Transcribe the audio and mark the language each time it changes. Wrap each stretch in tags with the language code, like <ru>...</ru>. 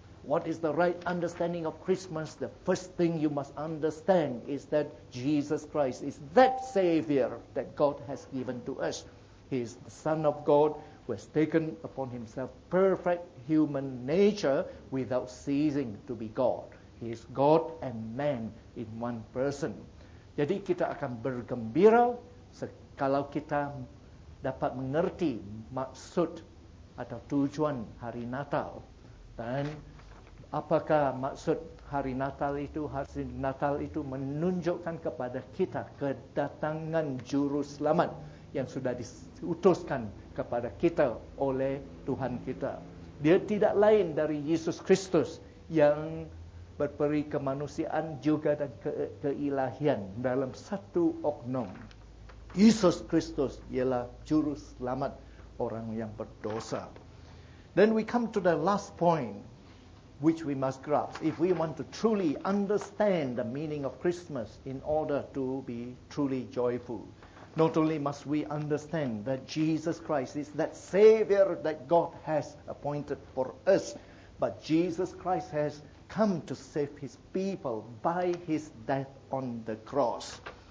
<en>What is the right understanding of Christmas? The first thing you must understand is that Jesus Christ is that Savior that God has given to us. He is the Son of God, who has taken upon himself perfect human nature without ceasing to be God. He is God and man in one person.</en> <id>Jadi kita akan bergembira kalau kita dapat mengerti maksud atau tujuan hari Natal. Dan apakah maksud hari Natal itu? Hari Natal itu menunjukkan kepada kita kedatangan Juru Selamat yang sudah diutuskan kepada kita oleh Tuhan kita. Dia tidak lain dari Yesus Kristus yang berperi kemanusiaan juga dan keilahian dalam satu oknum. Yesus Kristus ialah juru selamat orang yang berdosa.</id> <en>Then we come to the last point which we must grasp. If we want to truly understand the meaning of Christmas in order to be truly joyful, not only must we understand that Jesus Christ is that Savior that God has appointed for us, but Jesus Christ has come to save his people by his death on the cross.</en>